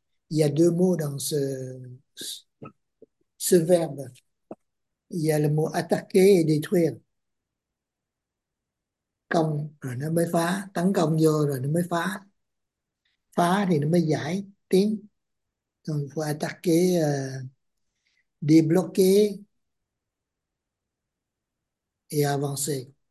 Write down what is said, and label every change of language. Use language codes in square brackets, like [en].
[fr] Il y a deux mots dans ce verbe. Il y a le mot attaquer et détruire. [vi] Công rồi nó mới phá, tấn công vô rồi nó mới phá. Phá thì nó mới giải tiến. [fr] Donc, il faut attaquer, débloquer et avancer.